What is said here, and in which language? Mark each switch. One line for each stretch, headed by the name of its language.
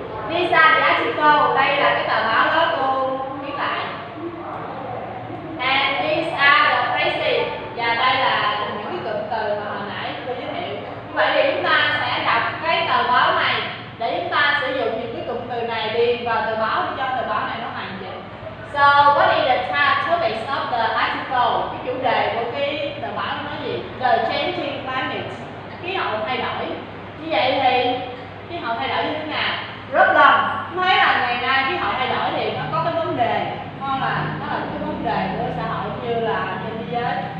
English: These are the articles.
Vietnamese: Đây là cái tờ báo đó cô viết lại.
English: And these are the phrases.
Vietnamese: Và đây là những cái cụm từ mà hồi nãy cô giới thiệu. Vậy thì chúng ta sẽ đọc cái tờ báo này để chúng ta sử dụng những cái cụm từ này đi vào tờ báo để cho tờ báo này nó hoàn chỉnh.
English: So what is the topic of the article?
Vietnamese: Cái chủ đề của cái tờ báo nó gì?
English: The changing climate.
Vietnamese: Khí hậu thay đổi. Như vậy thì khí hậu thay đổi như thế nào? Rất là thấy là ngày nay khí hậu thay đổi thì nó có cái vấn đề, không là nó là cái vấn đề của xã hội cũng như là trên thế giới.